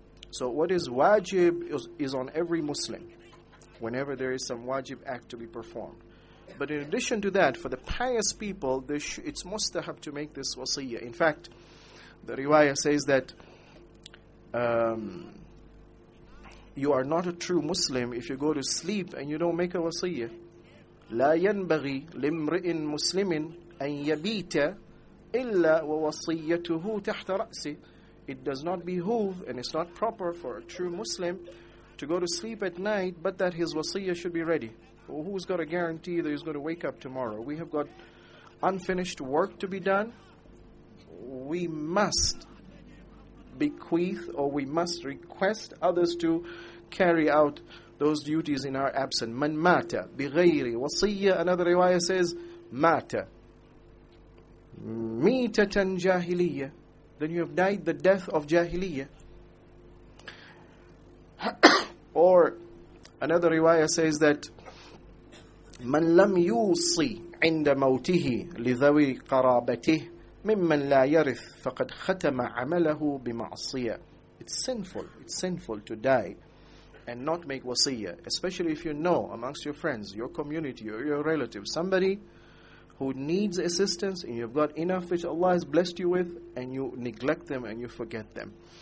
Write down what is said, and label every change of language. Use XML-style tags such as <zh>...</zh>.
<en>So what is wajib is on every Muslim whenever there is some wajib act to be performed. But in addition to that, for the pious people, it's mustahab to make this wasiyah. In fact, the riwayah says that you are not a true Muslim if you go to sleep and you don't make a wasiyah.</en> <ar>لا ينبغي لمرئ مسلم أن يبيت إلا ووصيته تحت رأسه.</ar> <en>It does not behoove and it's not proper for a true Muslim to go to sleep at night but that his wasiyah should be ready. Well, who's got a guarantee that he's going to wake up tomorrow? We have got unfinished work to be done. We must bequeath or we must request others to carry out those duties in our absence.</en> <ar>من مات بغير وصية.</ar> <en>Another riwayah says</en> <ar>مات ميتة جاهلية.</ar> <en>Then you have died the death of جاهلية. Or another riwayah says that</en> <ar>من لم يوصي عند موته لذوي قرابته ممن لا يرث فقد ختم عمله بمعصية.</ar> <en>It's sinful to die and not make wasiyah, especially if you know amongst your friends, your community, or your relatives, somebody who needs assistance, and you've got enough which Allah has blessed you with, and you neglect them and you forget them.</en>